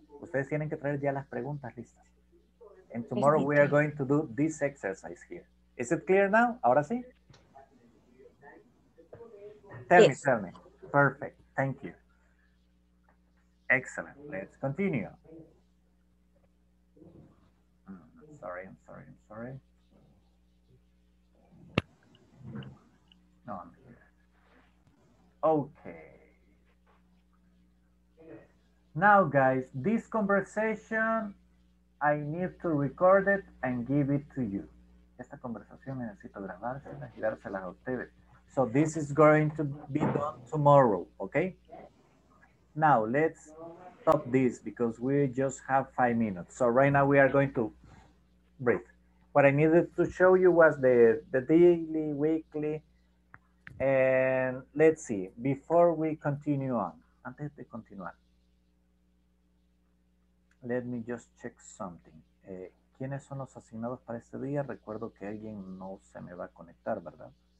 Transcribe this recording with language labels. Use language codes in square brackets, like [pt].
[es] Ustedes tienen que traer ya las preguntas listas. [en] And tomorrow we are going to do this exercise here. Is it clear now? [es] ¿Ahora sí? [en] Tell me. Perfect. Thank you. Excellent. Let's continue. I'm sorry. No, I'm here. Okay. Now, guys, this conversation, I need to record it and give it to you. [es] Esta conversación necesito grabársela y dársela a ustedes. [en] So this is going to be done tomorrow, okay? Now, let's stop this because we just have 5 minutes. So right now we are going to breathe. What I needed to show you was the daily, weekly, and let's see, before we continue on, [es] antes de continuar, [en] let me just check something. [es] ¿Quiénes son los asignados para este día? Recuerdo que alguien no se me va a conectar, ¿verdad?